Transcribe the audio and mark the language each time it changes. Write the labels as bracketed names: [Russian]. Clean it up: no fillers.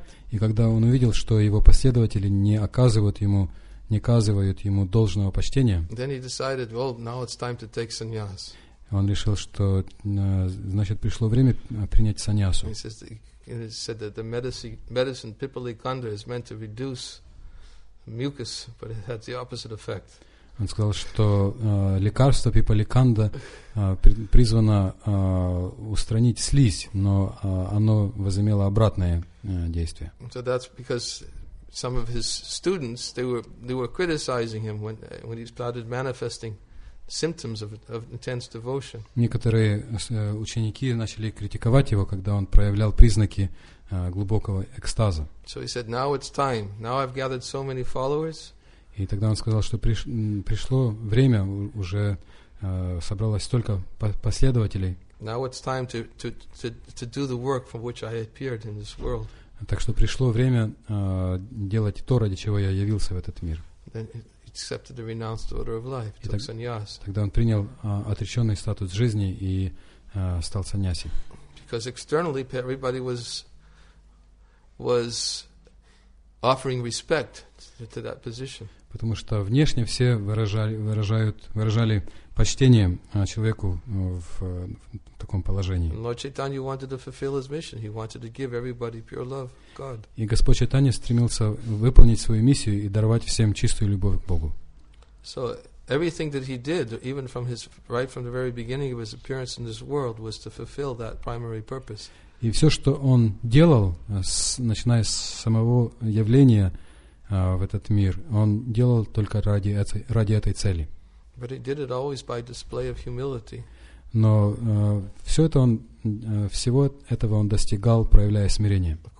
[Russian] И когда он увидел, что его последователи не оказывают ему, не оказывают ему должного почтения, [English] then he decided, well, now it's time to take sannyas. [Russian] Он решил, что значит, пришло время принять саньясу. [English] He says that, he said that the medicine Pipali Kanda is meant to reduce mucus, but it had the opposite effect. [Russian] Он сказал, что лекарство пипаликанда призвано устранить слизь, но оно возымело обратное действие. [English] So that's because some of his students, they were criticizing him when he started manifesting symptoms of intense devotion. [Russian] Некоторые ученики начали критиковать его, когда он проявлял признаки глубокого экстаза. [English] So he said, now it's time. Now I've gathered so many followers. [Russian] И тогда он сказал, что пришло время, уже собралось столько последователей. Так что пришло время делать то, ради чего я явился в этот мир. Тогда он принял отреченный статус жизни и стал саньяси. [English] Because externally everybody was offering respect to that position. [Russian] Потому что внешне все выражали почтение человеку в таком положении. [English] Lord Chaitanya wanted to fulfill his mission. He wanted to give everybody pure love, God. [Russian] И Господь Чайтанья стремился выполнить свою миссию и даровать всем чистую любовь к Богу. [English] So everything that he did, even from his right from the very beginning of his appearance in this world, was to fulfill that primary purpose. [Russian] И все, что он делал, начиная с самого явления в этот мир, он делал только ради этой цели. Но всего этого он достигал, проявляя смирение.